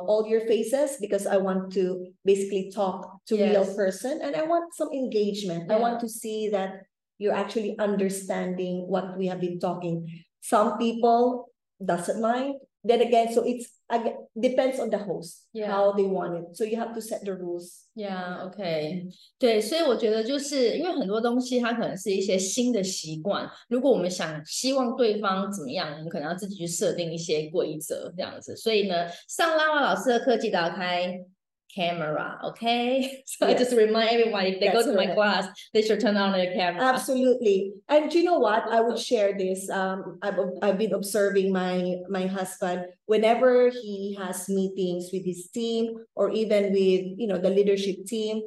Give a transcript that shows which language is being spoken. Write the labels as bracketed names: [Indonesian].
[English] all your faces because I want to basically talk to real Yes. person and I want some engagement. I want Yeah. to see that you're actually understanding what we have been talking. Some people doesn't mind. Then again, so it's again, depends on the host, Yeah. how they want it. So you have to set the rules. Yeah, okay. [Chinese] 对，所以我觉得就是因为很多东西它可能是一些新的习惯，如果我们想希望对方怎么样，我们可能要自己去设定一些规则这样子。所以呢，上拉瓦老师的课记得要开。 [English] camera, okay? So yes. I just remind everybody, if they That's go to correct. My class, they should turn on their camera. Absolutely. And you know what? I would share this. I've been observing my husband. Whenever he has meetings with his team or even with, you know, the leadership team,